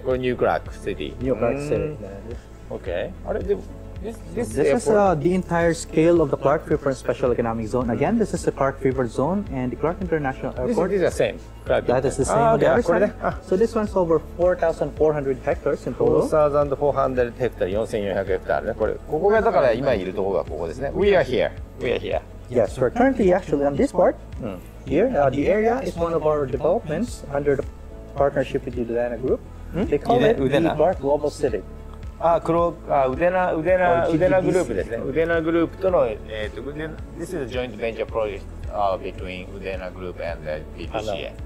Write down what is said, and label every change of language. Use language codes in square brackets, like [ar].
[ja] これニュークラークシティ。ニュークラークシティ。 Okay. あれでも、 [en] This is the entire scale of the Clark Freeport Special Economic Zone. Again, this is the Clark Freeport Zone and the Clark International Airport. This is the same. That is the same. [ja] Okay, これね。 [en] So this one's over 4,400 hectares in total. 4,400 hectares, 4,400 hectares. [ja] これ、ここがだから今いるところがここですね。 [en] We are here. We are here. Yes, we're currently actually on this part here. The area is one of our developments under the partnership with Udena Group. They call it the Clark Global City. [ja] Udena Group, ですね。 [en] Udena Group との、this is a joint venture project between Udena Group and BCDA.